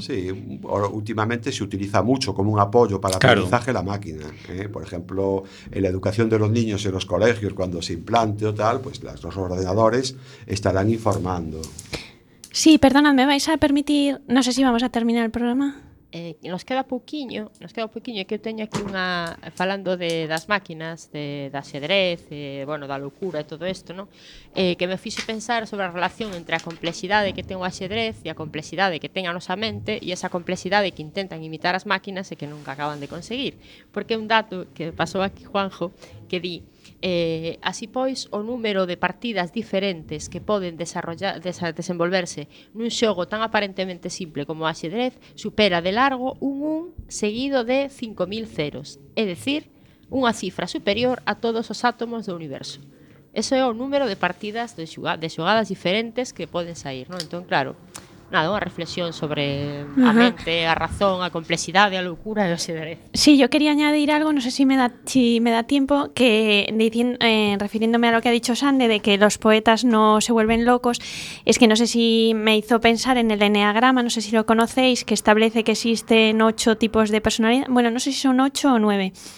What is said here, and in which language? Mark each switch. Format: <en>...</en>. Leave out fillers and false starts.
<es>Sí, últimamente se utiliza mucho como un apoyo para aprendizaje la máquina, ¿eh? Por ejemplo, en la educación de los niños en los colegios, cuando se implante o tal, pues los ordenadores estarán informando. Sí, perdonad, ¿me vais a permitir? No sé si vamos a terminar el programa.</es> <gl>Nos queda pouquiño, que eu teño aquí unha falando de das máquinas, de xadrez, bueno, da locura e todo isto, ¿no? Que me fixe pensar sobre a relación entre a complexidade que ten o xadrez e a complexidade que ten a nosa mente e esa complexidade que intentan imitar as máquinas e que nunca acaban de conseguir, porque é un dato que pasou aquí Juanjo que di así pois, o número de partidas diferentes que poden desenvolverse nun xogo tan aparentemente simple como o axedrez supera de largo un seguido de 5.000 ceros, é dicir, unha cifra superior a todos os átomos do universo. Eso é o número de partidas de xogadas diferentes que poden sair, ¿no? Entón, claro, nada, unha reflexión sobre a mente, a razón, a complexidade, a locura e o xadrez.</gl> <es>Sí, yo quería añadir algo, no sé si me da tiempo, que refiriéndome a lo que ha dicho Sande de que los poetas no se vuelven locos, es que no sé si me hizo pensar en el eneagrama, no sé si lo conocéis, que establece que existen 8 tipos de personalidad, bueno, no sé si son 8 o 9.</es>